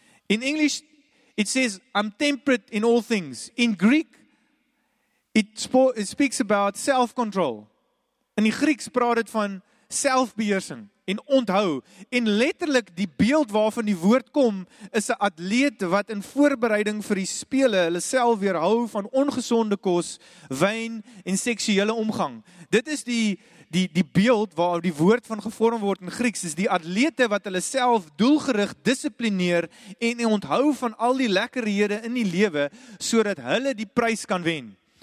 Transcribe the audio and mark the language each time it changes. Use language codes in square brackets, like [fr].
[en] In English, it says, I'm temperate in all things. In Greek, it speaks about self-control. [af] In die Grieks praat het van selfbeheersing en onthou. En letterlik, die beeld waarvan die woord kom, is 'n atleet wat in voorbereiding vir die spele hulle self weerhou van ongesonde kos, wyn en seksuele omgang. Dit is die beeld waar die woord van gevorm word in Grieks, is die atlete wat hulle self doelgerig disciplineer en onthou van al die lekkerhede in die lewe, sodat hulle die prys kan wen.